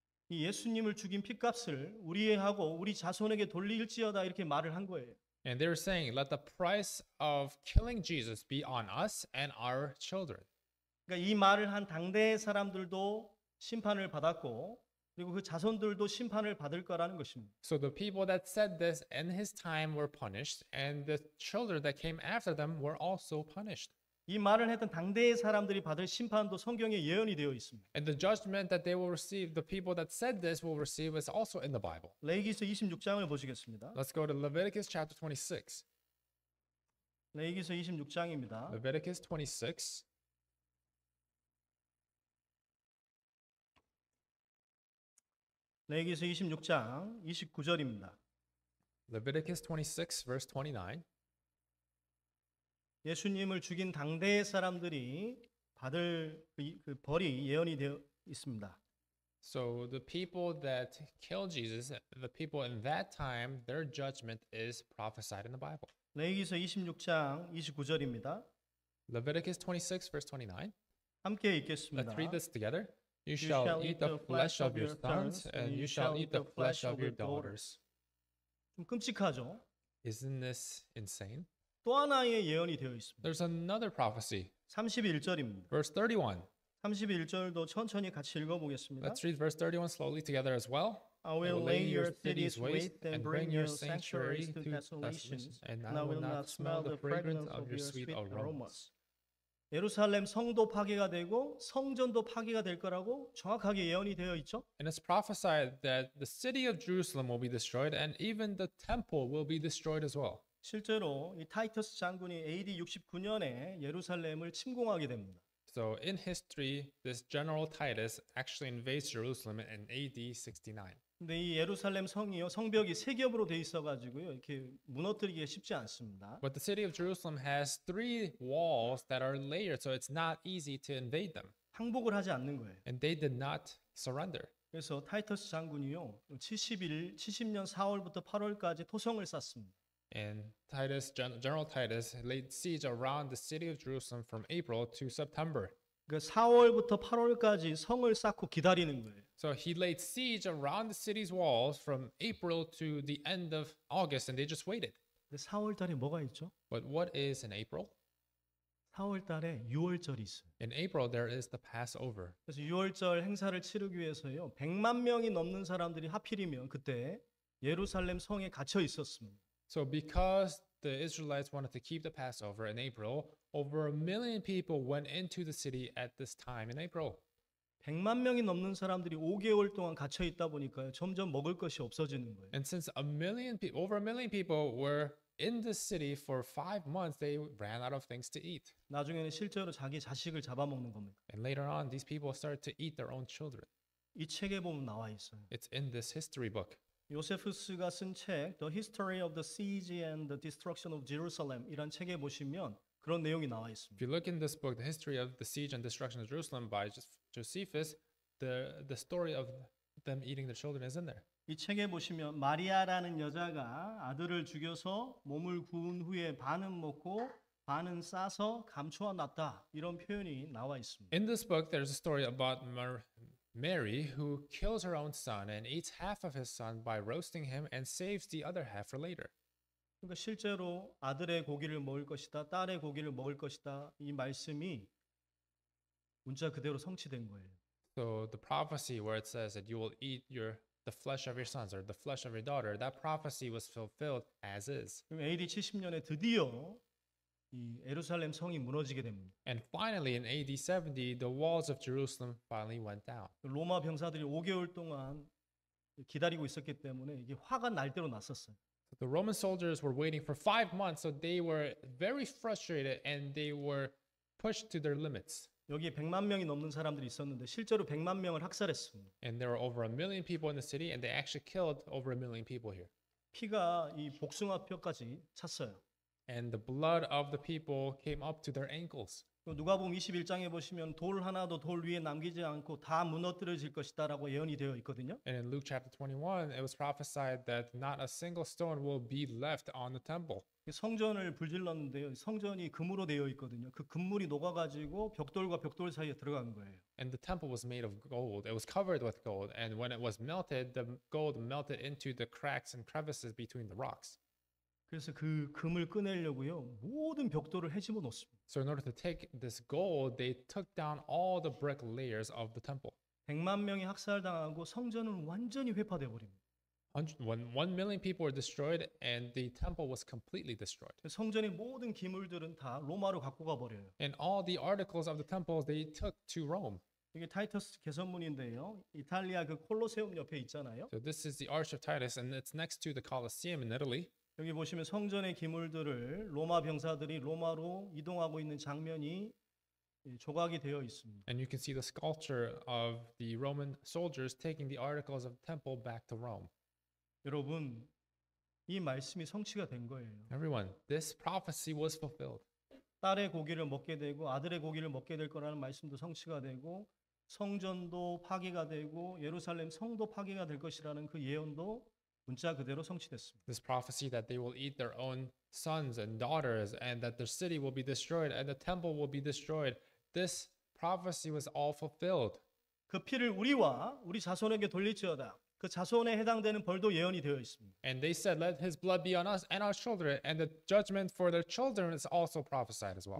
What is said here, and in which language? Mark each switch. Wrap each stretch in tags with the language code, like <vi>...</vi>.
<ko>이 예수님을 죽인 피값을 우리에 하고 우리 자손에게 돌릴지어다 이렇게 말을 한 거예요.</ko> <en>And they were saying, Let the price of killing Jesus be on us and our children.</en> <ko>그러니까 이 말을 한 당대의 사람들도 심판을 받았고 그리고 그 자손들도 심판을 받을 거라는 것입니다.</ko> <en>So the people that said this in his time were punished, and the children that came after them were also punished.</en> <ko>이 말을 했던 당대의 사람들이 받을 심판도 성경에 예언이 되어 있습니다.</ko> <en>And the judgment that they will receive, the people that said this will receive, is also in the Bible.</en> <ko>레위기서 26장을 보시겠습니다.</ko> <en>Let's go to Leviticus chapter 26.</en> <ko>레위기서 26장입니다.</ko> <en>Leviticus 26.</en> <ko>레위기서 26장 29절입니다.</ko> <en>Leviticus 26 verse 29.</en> <ko>예수님을 죽인 당대의 사람들이 받을 그 벌이 예언이 되어 있습니다.</ko> <en>So the people that killed Jesus, the people in that time, their judgment is prophesied in the Bible.</en> <ko>레위기서 26장 29절입니다.</ko> <en>Leviticus 26 verse 29.</en> <ko>함께 읽겠습니다.</ko> <en>Let's read this together. You shall eat the flesh of your sons, and you shall eat the flesh of your daughters.</en> <ko>좀 끔찍하죠?</ko> <en>Isn't this insane?</en> <ko>또 하나의 예언이 되어 있습니다.</ko> <en>There's another prophecy.</en> <ko>31절입니다.</ko> <en>Verse 31.</en> <ko>31절도 천천히 같이 읽어보겠습니다.</ko> <en>Let's read verse 31 slowly together as well. I will lay your cities waste and bring your sanctuaries to desolation, and I will not smell the fragrance of your sweet aromas.</en> <ko>예루살렘 성도 파괴가 되고 성전도 파괴가 될 거라고 정확하게 예언이 되어 있죠.</ko> <en>And it's prophesied that the city of Jerusalem will be destroyed and even the temple will be destroyed as well.</en> <ko>실제로 이 타이터스 장군이 AD 69년에 예루살렘을 침공하게 됩니다.</ko> <en>So in history this general Titus actually invades Jerusalem in AD 69.</en> <ko>근데 이 예루살렘 성이요 성벽이 세 겹으로 돼 있어 가지고요. 이렇게 무너뜨리기 쉽지 않습니다.</ko> <en>But the city of Jerusalem has three walls that are layered so it's not easy to invade them.</en> <ko>항복을 하지 않는 거예요.</ko> <en>And they did not surrender.</en> <ko>그래서 타이터스 장군이요 70년 4월부터 8월까지 토성을 쌓습니다.</ko> <en>And Titus, General Titus, laid siege around the city of Jerusalem from April to September.</en> <ko>그러니까 4월부터 8월까지 성을 쌓고 기다리는 거예요.</ko> <en>So he laid siege around the city's walls from April to the end of August, and they just waited.</en> <ko>4월 달에 뭐가 있죠?</ko> <en>But what is in April?</en> <ko>4월 달에 유월절이 있어요.</ko> <en>In April, there is the Passover.</en> <ko>그래서 유월절 행사를 치르기 위해서요, 100만 명이 넘는 사람들이 하필이면 그때 예루살렘 성에 갇혀 있었습니다.</ko> <en>So because the Israelites wanted to keep the Passover in April, over a million people went into the city at this time in April.</en> <ko>100만 명이 넘는 사람들이 5개월 동안 갇혀 있다 보니까 점점 먹을 것이 없어지는 거예요.</ko> <en>And since over a million people were in the city for 5 months, they ran out of things to eat.</en> <ko>나중에는 실제로 자기 자식을 잡아먹는 겁니다.</ko> <en>And later on, these people started to eat their own children.</en> <ko>이 책에 보면 나와 있어요.</ko> <en>It's in this history book.</en> <ko>요세푸스가 쓴 책, The History of the Siege and the Destruction of Jerusalem 이란 책에 보시면 그런 내용이 나와 있습니다.</ko> <en>If you look in this book, The History of the Siege and Destruction of Jerusalem by Josephus, the story of them eating their children is in there.</en> <ko>이 책에 보시면 마리아라는 여자가 아들을 죽여서 몸을 구운 후에 반은 먹고 반은 싸서 감추어 놨다 이런 표현이 나와 있습니다.</ko> <en>In this book, there's a story about Mary who kills her own son and eats half of his son by roasting him and saves the other half for later.</en> <ko>그러니까 실제로 아들의 고기를 먹을 것이다, 딸의 고기를 먹을 것이다 이 말씀이 문자 그대로 성취된 거예요.</ko> <en>So the prophecy where it says that you will eat your the flesh of your sons or the flesh of your daughter, that prophecy was fulfilled as is.</en> <ko>AD 70년에 드디어 이 예루살렘 성이 무너지게 됩니다.</ko> <en>And finally in AD 70 the walls of Jerusalem finally went down.</en> <ko>로마 병사들이 5개월 동안 기다리고 있었기 때문에 이게 화가 날 대로 났었어요.</ko> <en>So the Roman soldiers were waiting for 5 months so they were very frustrated and they were pushed to their limits.</en> <ko>여기 100만 명이 넘는 사람들이 있었는데 실제로 100만 명을 학살했습니다.</ko> <en>And there were over a million people in the city and they actually killed over a million people here.</en> <ko>피가 이 복숭아 뼈까지 찼어요.</ko> <en>And the blood of the people came up to their ankles.</en> <ko>누가복음 21장에 보시면 돌 하나도 돌 위에 남기지 않고 다 무너뜨려질 것이다라고 예언이 되어 있거든요.</ko> <en>And in Luke chapter 21, it was prophesied that not a single stone will be left on the temple.</en> <ko>성전을 불질렀는데요. 성전이 금으로 되어 있거든요. 그 금물이 녹아가지고 벽돌과 벽돌 사이에 들어간 거예요.</ko> <en>And the temple was made of gold. It was covered with gold, and when it was melted, the gold melted into the cracks and crevices between the rocks.</en> <ko>그래서 그 금을 꺼내려고요. 모든 벽돌을 해집어 놓습니다.</ko> <en>So in order to take this gold, they took down all the brick layers of the temple.</en> <ko>100만 명이 학살당하고 성전은 완전히 훼파돼 버립니다.</ko> <en>One million people were destroyed and the temple was completely destroyed.</en> <ko>성전의 모든 기물들은 다 로마로 갖고 가 버려요.</ko> <en>And all the articles of the temple they took to Rome.</en> <ko>이게 타이터스 개선문인데요. 이탈리아 그 콜로세움 옆에 있잖아요.</ko> <en>So this is the Arch of Titus and it's next to the Colosseum in Italy.</en> <ko>여기 보시면 성전의 기물들을 로마 병사들이 로마로 이동하고 있는 장면이 조각이 되어 있습니다.</ko> <en>And you can see the sculpture of the Roman soldiers taking the articles of the temple back to Rome.</en> <ko>여러분, 이 말씀이 성취가 된 거예요.</ko> <en>Everyone, this prophecy was fulfilled.</en> <ko>딸의 고기를 먹게 되고 아들의 고기를 먹게 될 거라는 말씀도 성취가 되고 성전도 파괴가 되고 예루살렘 성도 파괴가 될 것이라는 그 예언도 문자 그대로 성취됐습니다.</ko> <en>This prophecy that they will eat their own sons and daughters and that their city will be destroyed and the temple will be destroyed. This prophecy was all fulfilled.</en> <ko>그 피를 우리와 우리 자손에게 돌릴지어다. 그 자손에 해당되는 벌도 예언이 되어 있습니다.</ko> <en>And they said let his blood be on us and our children and the judgment for their children is also prophesied as well.</en>